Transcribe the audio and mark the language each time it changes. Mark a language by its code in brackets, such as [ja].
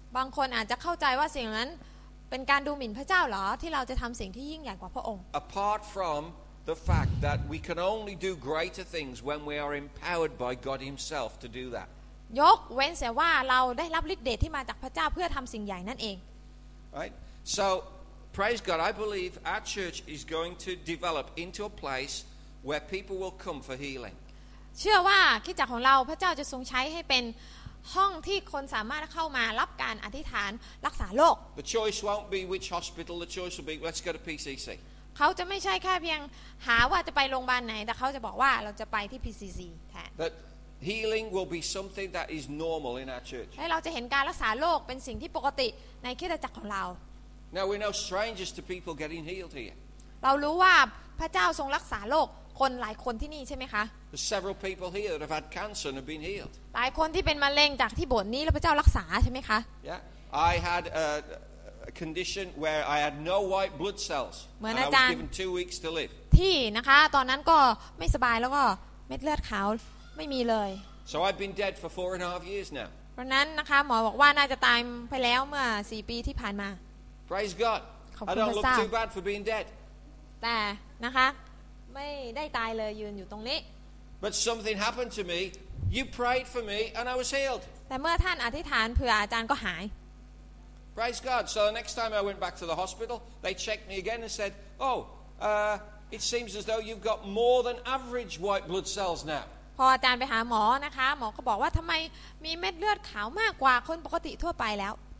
[th] บางคนอาจจะเข้าใจว่าสิ่งนั้นเป็นการดูหมิ่นพระเจ้าหรอที่เราจะทำสิ่งที่ยิ่งใหญ่กว่าพระองค์ [en] Apart fromThe fact that we can only do greater things when we are empowered by God Himself to do that. [th] ยกเว้นแต่ว่าเราได้รับฤทธิ์เดชที่มาจากพระเจ้าเพื่อทำสิ่งใหญ่นั่นเอง [en] Right. So, praise God. I believe our church is going to develop into a place where people will come for healing. [th] เชื่อว่าคริสตจักรของเราพระเจ้าจะทรงใช้ให้เป็นห้องที่คนสามารถเข้ามารับการอธิษฐานรักษาโรค [en] The choice won't be which hospital. The choice will be let's go to PCC. [th] เขาจะไม่ใช่แค่เพียงหาว่าจะไปโรงพยาบาลไหนแต่เขาจะบอกว่าเราจะไปที่ PCC แทน [en] That healing will be something that is normal in our church [th] ให้เราจะเห็นการรักษาโรคเป็นสิ่งที่ปกติในคริสตจักรของเรา [en] Now we know strangers to people getting healed here [th] เรารู้ว่าพระเจ้าทรงรักษาโรคคนหลายคนที่นี่ใช่ไหมคะ [en] There's several people here that have had cancer and have been healed [th] หลายคนที่เป็นมะเร็งจากที่โบสถ์นี้แล้วพระเจ้ารักษาใช่ไหมคะ [en] Yeah I had a condition where I had no white blood cells and I was given 2 weeks to live [th] ที่นะคะตอนนั้นก็ไม่สบายแล้วก็เม็ดเลือดขาวไม่มีเลย [en] so I've been dead for 4.5 years now [th] เพราะนั้นนะคะหมอบอกว่าน่าจะตายไปแล้วเมื่อ4ปีที่ผ่านมา [en] praise God I don't look too bad for being dead [th] แต่นะคะไม่ได้ตายเลยยืนอยู่ตรงนี้ [en] but something happened to me you prayed for me and I was healed [th] แต่เมื่อท่านอธิษฐานเผื่ออาจารย์ก็หาย [en] Praise God. So the next time I went back to the hospital, they checked me again and said, "Oh, it seems as though you've got more than average white blood cells now." [th] พออาจารย์ไปหาหมอนะคะหมอก็บอกว่าทำไมมีเม็ดเลือดขาวมากกว่าคนปกติทั่วไปแล้ว